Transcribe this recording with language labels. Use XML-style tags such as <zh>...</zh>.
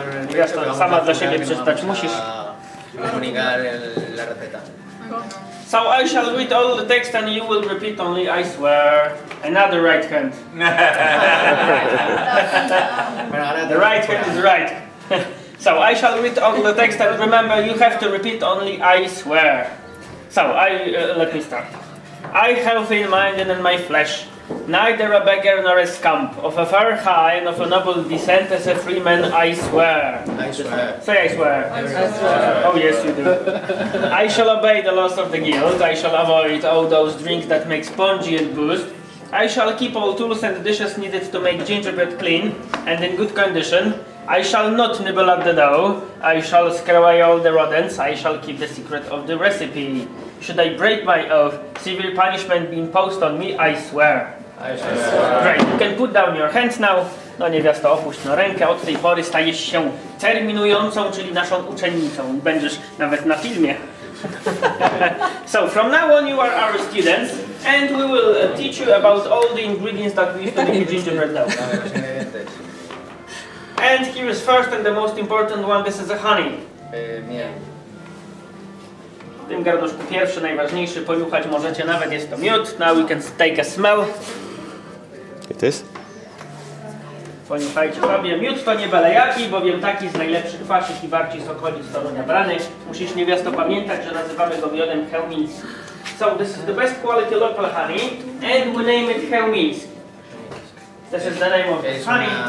<pl>Niewiasto, sama dla siebie przeczytać musisz.</pl> <en>So I shall read all the text and you will repeat only, I swear, another right hand. The right hand is right. So I shall read all the text and remember, you have to repeat only, I swear. So let me start. I have in mind and in my flesh, neither a beggar nor a scamp, of a fair high and of a noble descent as a free man, I swear. I swear. Say I swear. I swear. Oh yes, you do. I shall obey the laws of the guild, I shall avoid all those drinks that make spongy and boost. I shall keep all tools and dishes needed to make gingerbread clean and in good condition. I shall not nibble at the dough, I shall scare away all the rodents, I shall keep the secret of the recipe. Should I break my oath, severe punishment be imposed on me, I swear. I shall swear. Great, you can put down your hands now.</en> <pl>No niewiasto, opuść na rękę, od tej pory stajesz się terminującą, czyli naszą uczennicą. Będziesz nawet na filmie.</pl> <en>So, from now on you are our students, and we will teach you about all the ingredients that we use to make gingerbread dough. And here is first and the most important one, this is a honey.</en> <es>Miel.</es> <pl>W tym garnuszku pierwszy, najważniejszy, poniuchać możecie, nawet jest to miód.</pl> <en>Now we can take a smell. It is.</en> <pl>Poniuchajcie sobie. Miód to nie byle jaki, bowiem taki z najlepszych kwasów i warci z okolic Torunia brany. Musisz niewiasto pamiętać, że nazywamy go miodem Chełmińskim.</pl> <en>So this is the best quality local honey and we name it Chełmiński. This is the name of this honey.</en>